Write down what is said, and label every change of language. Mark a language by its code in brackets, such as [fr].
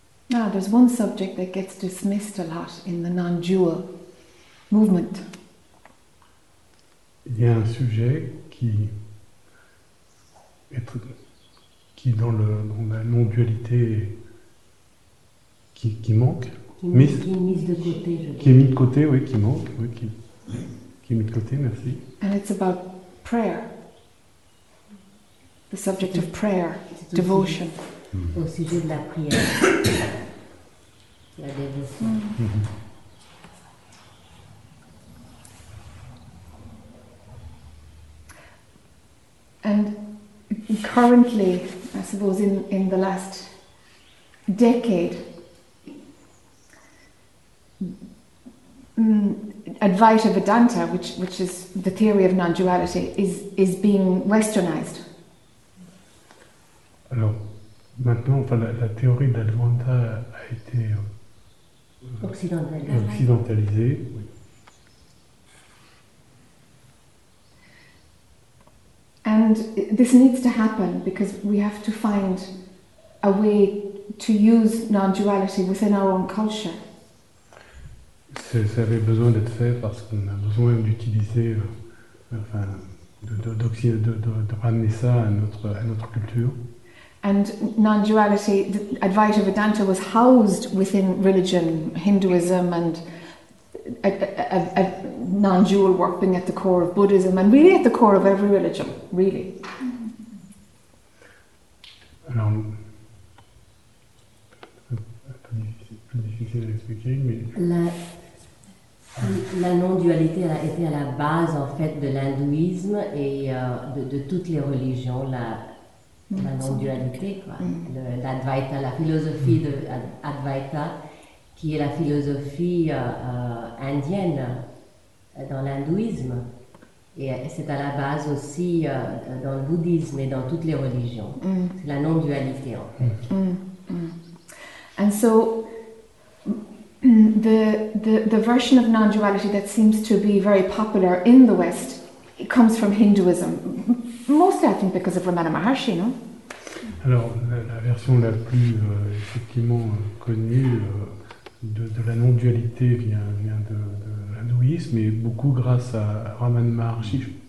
[en] Now, there's one subject that gets dismissed a lot in the non-dual movement. [fr] Il y a un sujet qui est, qui dans le dans la non-dualité qui manque, qui est mis de côté, merci. [en] And it's about prayer. The subject of prayer, devotion. [fr] Au sujet de la prière. La dévotion. [en] And currently, I suppose in the last decade, Advaita Vedanta, which is the theory of non-duality, is being westernized. [fr] Alors, maintenant, enfin, la théorie d'Advaita a été occidentalisée. Oui. [en] And this needs to happen because we have to find a way to use non-duality within our own culture. [fr] Ça avait besoin d'être fait parce qu'on a besoin d'utiliser, enfin, de ramener ça à notre culture. [en] And non-duality, Advaita Vedanta was housed within religion, Hinduism, and a non-dual work being at the core of Buddhism, and really at the core of every religion, really. [fr] Alors, un peu difficile à expliquer, mais... La non-dualité a été à la base, en fait, de l'hindouisme et de toutes les religions, la non-dualité, quoi. L'Advaita, la philosophie de Advaita, qui est la philosophie indienne dans l'hindouisme. Et c'est à la base aussi dans le bouddhisme et dans toutes les religions. C'est la non-dualité, en fait. [en] And so... The version of non-duality that seems to be very popular in the West, it comes from Hinduism, mostly I think because of Ramana Maharshi, no? [fr] Alors la version la plus effectivement connue de la non-dualité vient de l'hindouisme, mais beaucoup grâce à Ramana Maharshi.